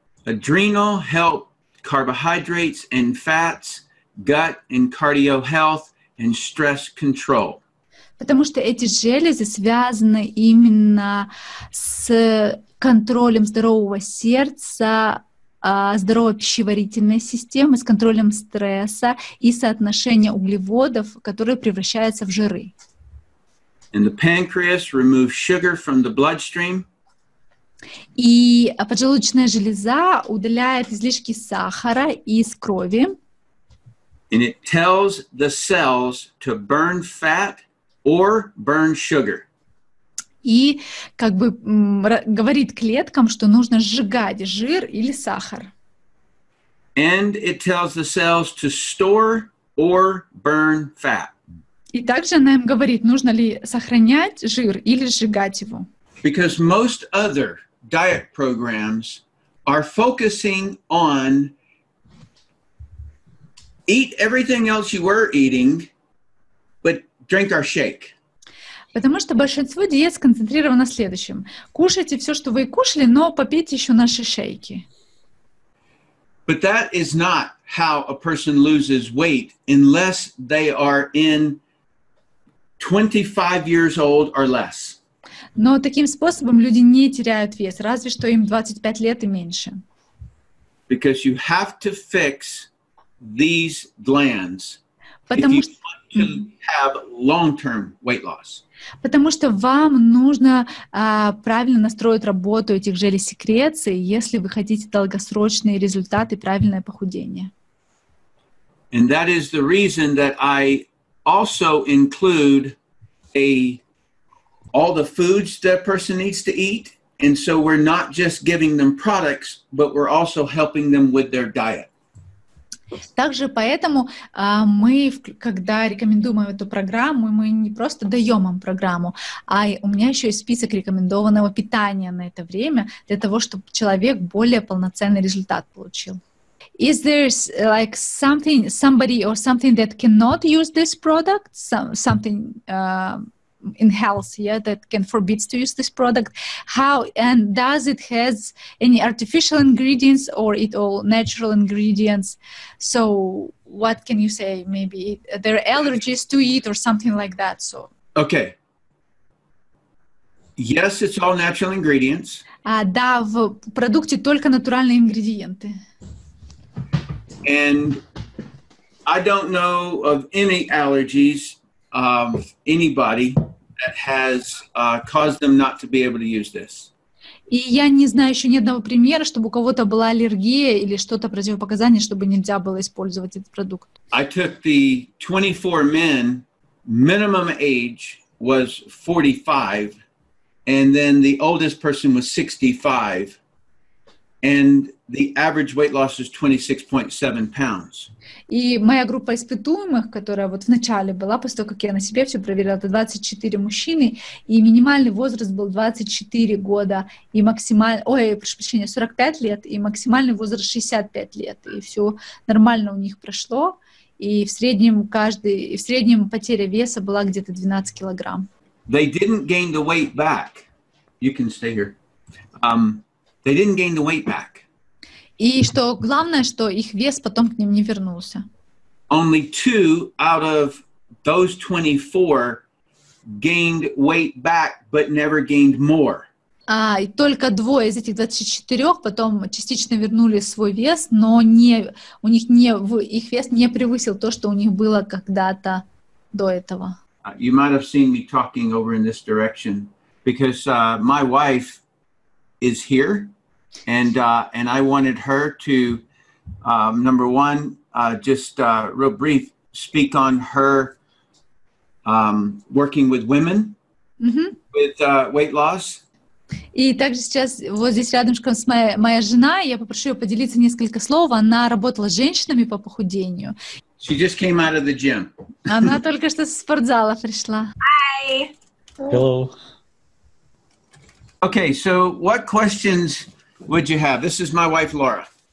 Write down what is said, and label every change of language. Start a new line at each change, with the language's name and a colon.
English: Adrenal help carbohydrates and fats, gut and cardio health, and stress control.
Russian: Потому что эти железы связаны именно с контролем здорового сердца, здоровой пищеварительной системы, с контролем стресса и соотношения углеводов, которые превращаются в жиры.
English: And the pancreas removes sugar from the bloodstream.
Russian: И поджелудочная железа удаляет излишки сахара из крови.
English: And it tells the cells to burn fat or burn sugar.
Russian: И как бы говорит клеткам, что нужно сжигать жир или сахар.
English: And it tells the cells to store or burn fat.
Russian: И также она им говорит, нужно ли сохранять жир или сжигать его.
English: Because most other diet programs are focusing on eat everything else you were eating, but drink our shake.
Russian: Потому что большинство диет сконцентрировано на следующем. Кушайте все, что вы и кушали, но попейте еще наши шейки.
English: But that is not how a person loses weight unless they are in 25 years old or less.
Russian: Но таким способом люди не теряют вес, разве что им 25 лет и меньше.
English: Because you have to fix these glands,
Russian: потому
English: if you want to have long-term weight loss.
Russian: Потому что вам нужно правильно настроить работу этих желез секреции, если вы хотите долгосрочные результаты, правильное похудение.
English: And that is the reason that I also include all the foods that a person needs to eat, and so we're not just giving them products, but we're also helping them with their diet.
Russian: Также поэтому мы, когда рекомендуем эту программу, мы не просто даем им программу, а у меня еще есть список рекомендованного питания на это время для того, чтобы человек более полноценный результат получил.
English: Is there like something, somebody or something that cannot use this product? Something in health, yeah, that can forbid to use this product? How and does it has any artificial ingredients or it all natural ingredients? So what can you say? Maybe there are allergies to eat or something like that. So okay, yes, it's all natural ingredients.
Russian: Да, в продукте только натуральные ингредиенты.
English: And I don't know of any allergies of anybody that has caused them not to be able to use this.
Russian: И я не знаю еще ни одного примера, чтобы у кого-то была аллергия или что-то противопоказание, чтобы нельзя было использовать этот продукт.
English: I took the 24 men, minimum age was 45, and then the oldest person was 65, And the average weight loss is 26.7 pounds.
Russian: И моя группа испытуемых, которая вот вначале была, после того, как я на себе все проверила, это 24 мужчины, и минимальный возраст был 24 года, и максимальный, ой, прошу прощения, 45 лет, и максимальный возраст 65 лет. И все нормально у них прошло, и в среднем каждый, и в среднем потеря веса была где-то 12 килограмм.
English: They didn't gain the weight back. You can stay here. They didn't gain the weight back.
Russian: И что главное, что их вес потом к ним не вернулся.
English: Only two out of those 24 gained weight back, but never gained more.
Russian: А, и только двое из этих 24 потом частично вернули свой вес, но не, у них не, их вес не превысил то, что у них было когда-то до этого.
English: You might have seen me talking over in this direction, because my wife is here. And I wanted her to, number one, just real brief, speak on her working with women with weight loss.
Russian: И также сейчас вот здесь рядышком с моя жена, я попрошу ее поделиться несколько слов. Она работала с женщинами по похудению.
English: She just came out of the gym.
Russian: Она только что со спортзала пришла.
English: Hi. Hello. Okay, so what questions would you have? This is my wife, Laura.